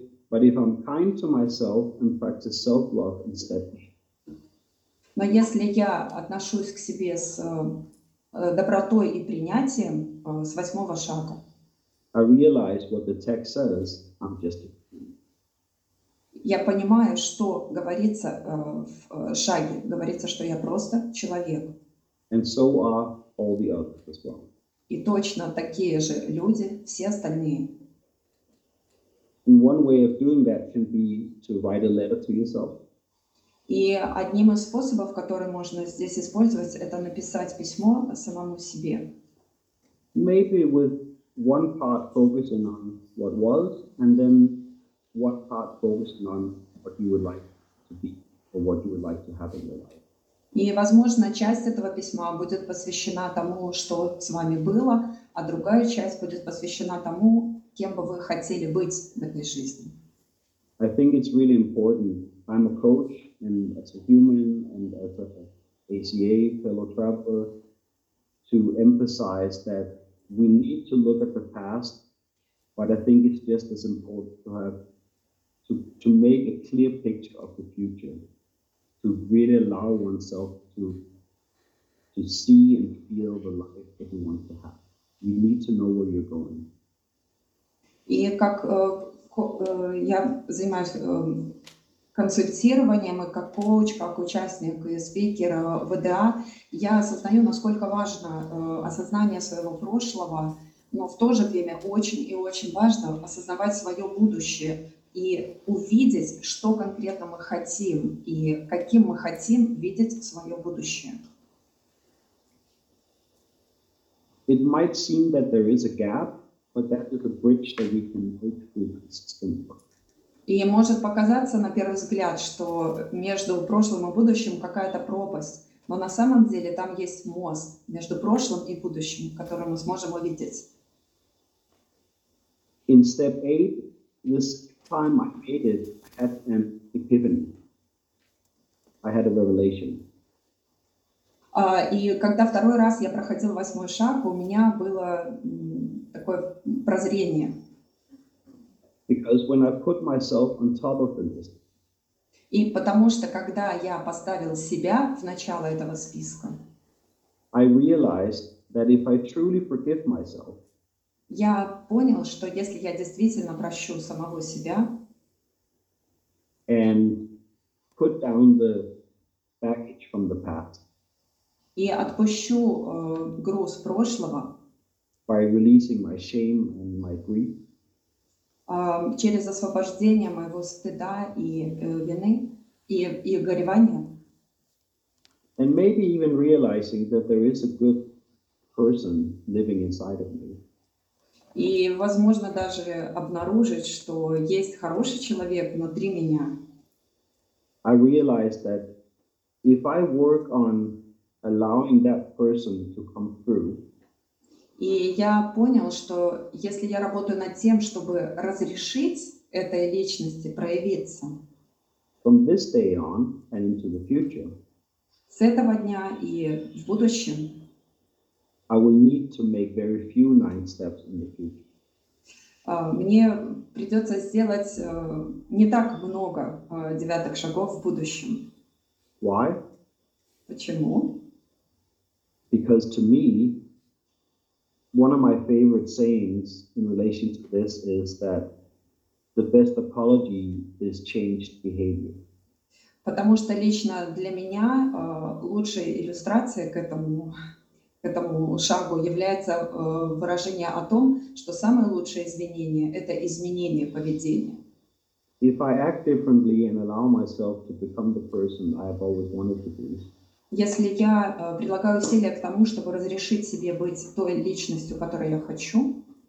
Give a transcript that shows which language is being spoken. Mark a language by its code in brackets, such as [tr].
[en] But if I'm kind to myself and practice self-love instead. [ru] Но если я отношусь к себе с добротой и принятием с восьмого шага, [en] I realize what the text says, I'm just a human. [ru] Я понимаю, что говорится в шаге. Говорится, что я просто человек. [en] And so are all the others as well. [ru] И точно такие же люди, все остальные. [en] And one way of doing that can be to write a letter to yourself. [ru] И одним из способов, который можно здесь использовать, это написать письмо самому себе. [en] Maybe with one part focusing on what was, and then what part focusing on what you would like to be, or what you would like to have in your life. [ru] И, возможно, часть этого письма будет посвящена тому, что с вами было, а другая часть будет посвящена тому, кем бы вы хотели быть в этой жизни. [en] I think it's really important. I'm a coach, and as a human, and as a ACA fellow traveler, to emphasize that we need to look at the past, but I think it's just as important to have to make a clear picture of the future, to really allow oneself to see and feel the life that you want to have. You need to know where you're going. [ru] И как я занимаюсь консультированием, и как коуч, как участник и спикер ВДА, я осознаю, насколько важно осознание своего прошлого, но в то же время очень и очень важно осознавать свое будущее и увидеть, что конкретно мы хотим и каким мы хотим видеть свое будущее. [en] It might seem that there is a gap, but that is a bridge that we can break through consistently. [ru] И может показаться на первый взгляд, что между прошлым и будущим какая-то пропасть, но на самом деле там есть мост между прошлым и будущим, который мы сможем увидеть. [en] In step 8, this time I made it, I had an epiphany. I had a revelation. [ru] И когда второй раз я проходил восьмой шаг, у меня было такое прозрение. [en] Because when I put myself on top of the list. [ru] И потому что когда я поставил себя в начало этого списка, [en] I realized that if I truly forgive myself, [ru] я понял, что если я действительно прощу самого себя, [en] and put down the baggage from the past, [ru] и отпущу груз прошлого, [en] by releasing my shame and my grief. [ru] Через освобождение моего стыда и вины и горевания. [en] And maybe even realizing that there is a good person living inside of me. [ru] И возможно даже обнаружить, что есть хороший человек внутри меня. [en] I realize that if I work on allowing that person to come through. [ru] И я понял, что если я работаю над тем, чтобы разрешить этой личности проявиться, [en] from this day on and into the future, [ru] с этого дня и в будущем, [en] I will need to make very few nine steps in the future. [ru] Мне придется сделать не так много девятых шагов в будущем. [en] Why? [ru] Почему? [en] Because to me, one of my favorite sayings in relation to this is that the best apology is changed behavior. [ru] Потому что лично для меня лучшая иллюстрация к этому шагу является выражение о том, что самое лучшее извинение — это изменение поведения. [en] If I act differently and allow myself to become the person I have always wanted to be. [ru] Если я прилагаю усилия к тому, чтобы разрешить себе быть той личностью, которой я хочу,